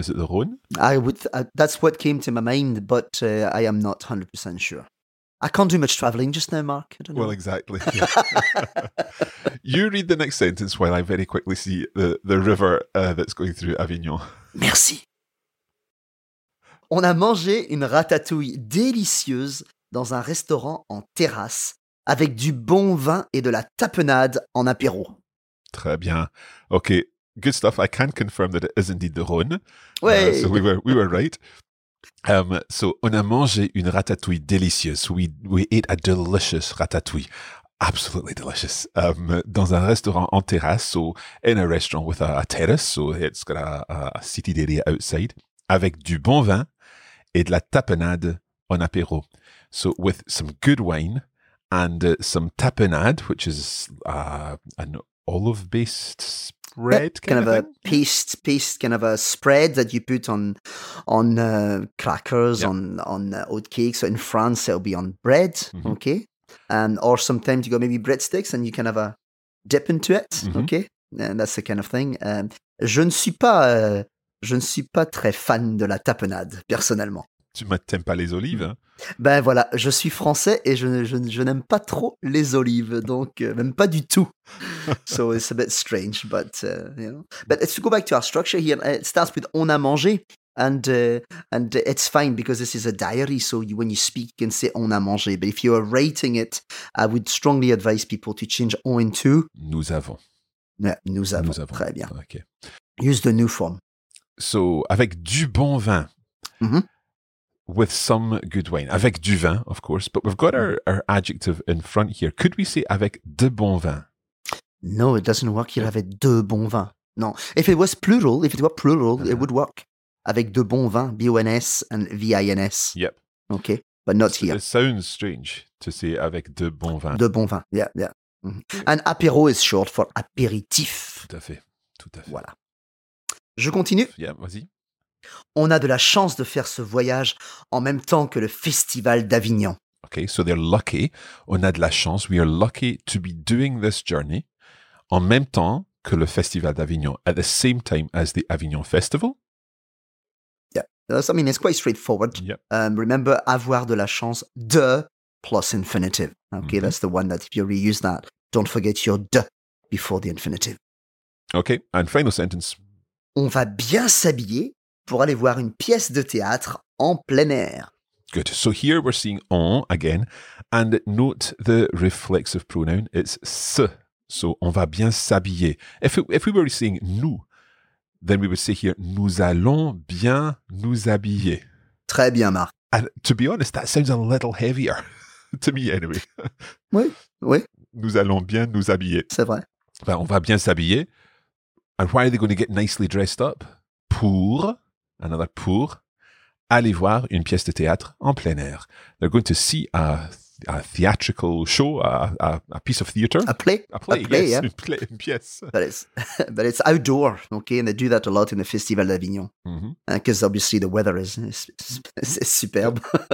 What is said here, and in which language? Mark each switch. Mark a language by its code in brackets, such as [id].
[en] Is it the Rhône? That's what came to my mind, but I am not 100% sure. I can't do much travelling just now, Mark. I don't know. Well, exactly. You read the next sentence while I very quickly see the river that's going through Avignon. [fr] Merci. On a mangé une ratatouille délicieuse dans un restaurant en terrasse avec du bon vin et de la tapenade en apéro. Très bien. [en] OK, good stuff. I can confirm that it is indeed the Rhône. [fr] Oui. [en] So we were right. So [fr] on a mangé une ratatouille délicieuse. [en] We ate a delicious ratatouille. Absolutely delicious. [fr] Dans un restaurant en terrasse, [en] so in a restaurant with a terrace, so it's got a seated area outside. [fr] Avec du bon vin et de la tapenade en apéro. [en] So with some good wine and some tapenade, which is an olive-based spread. Kind of a spread that you put on crackers, yeah. on oat cakes. So in France, it'll be on bread, mm-hmm. okay? Or sometimes you go maybe breadsticks and you can have a dip into it, mm-hmm. okay? And that's the kind of thing. [fr] Je ne suis pas très fan de la tapenade, personnellement. Tu ne t'aimes pas les olives, hein? Ben voilà, je suis français et je n'aime pas trop les olives, donc même pas du tout. [en] So it's a bit strange, but to go back to our structure here, it starts with [fr] on a mangé, [en] and it's fine because this is a diary, so when you speak, you can say on a mangé. But if you are writing it, I would strongly advise people to change on into [fr] nous avons. [en] Yeah, [fr] nous avons. Nous avons. Très bien. [en] Okay. Use the new form. So, [fr] avec du bon vin, [en] mm-hmm. with some good wine, avec du vin, of course, but we've got our adjective in front here. Could we say [fr] avec de bon vin? [en] No, it doesn't work. [fr] Il avait de bon vin. [en] No, if it were plural, uh-huh. it would work. [fr] Avec de bon vin, B-O-N-S and V-I-N-S. [en] Yep. Okay, but not here. It sounds strange to say avec de bon vin. [fr] De bon vin, [en] yeah, yeah. Mm-hmm. And apéro is short for apéritif. [fr] Tout à fait. Voilà. Je continue. [en] Yeah, [fr] vas-y. On a de la chance de faire ce voyage en même temps que le festival d'Avignon. [en] Okay, so they're lucky. [fr] On a de la chance. [en] We are lucky to be doing this journey [fr] en même temps que le festival d'Avignon. [en] At the same time as the Avignon Festival. Yeah, I mean, it's quite straightforward. Yeah. Remember, [fr] avoir de la chance, de [en] plus infinitive. Okay, mm-hmm. that's the one that if you reuse that, don't forget your de before the infinitive. Okay, and final sentence. [fr] On va bien s'habiller pour aller voir une pièce de théâtre en plein air. [en] Good. So here we're seeing on again. And note the reflexive pronoun. It's se. So [fr] on va bien s'habiller. [en] If we were saying nous, then we would say here, [fr] nous allons bien nous habiller. Très bien, Marc. [en] And to be honest, that sounds a little heavier to me anyway. [fr] Oui, oui. Nous allons bien nous habiller. C'est vrai. Enfin, on va bien s'habiller. [en] And why are they going to get nicely dressed up? [fr] Pour, [en] another [fr] pour, aller voir une pièce de théâtre en plein air. [en] They're going to see a theatrical show, a piece of theatre. A play, yes. [fr] Une play, une pièce. [en] But it's outdoor, okay? And they do that a lot in the Festival d'Avignon. Because mm-hmm. Obviously the weather is superb.